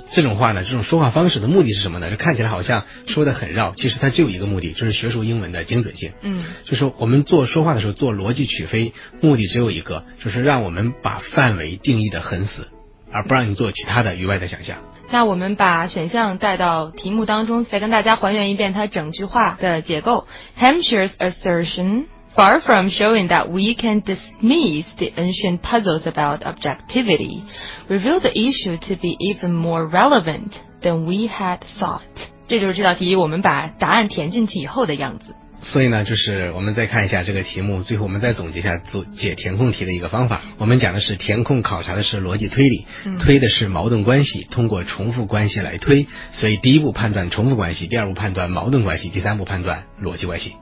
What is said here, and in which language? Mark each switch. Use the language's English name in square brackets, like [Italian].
[Chinese] 这种话呢，这种说话方式的目的是什么呢，就看起来好像说得很绕，其实它只有一个目的，就是学术英文的精准性。嗯，就是我们做说话的时候做逻辑取非，目的只有一个，就是让我们把范围定义得很死，而不让你做其他的余外的想象。那我们把选项带到题目当中，再跟大家还原一遍它整句话的结构。 [English] Hampshire's assertion far from showing that we can dismiss the ancient puzzles about objectivity revealed the issue to be even more relevant than we had thought。 [Chinese] 这就是这道题我们把答案填进去以后的样子。所以呢，就是我们再看一下这个题目，最后我们再总结一下做解填空题的一个方法。我们讲的是填空考察的是逻辑推理，推的是矛盾关系，通过重复关系来推。所以第一步判断重复关系，第二步判断矛盾关系，第三步判断逻辑关系。